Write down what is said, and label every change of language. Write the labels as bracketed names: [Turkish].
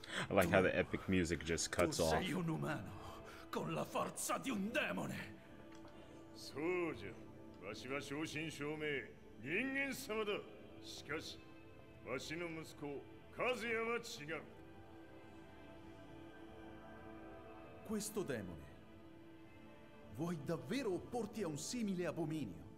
[English] I like how the epic music just cuts off. [Italian] Sei un umano con la forza di un demone. [Japanese] そうじゃ。わしは正真正銘人間様だ。しかし、わしの息子カズヤは違う。 [Italian] Questo demone. Vuoi davvero opporti a un simile abominio?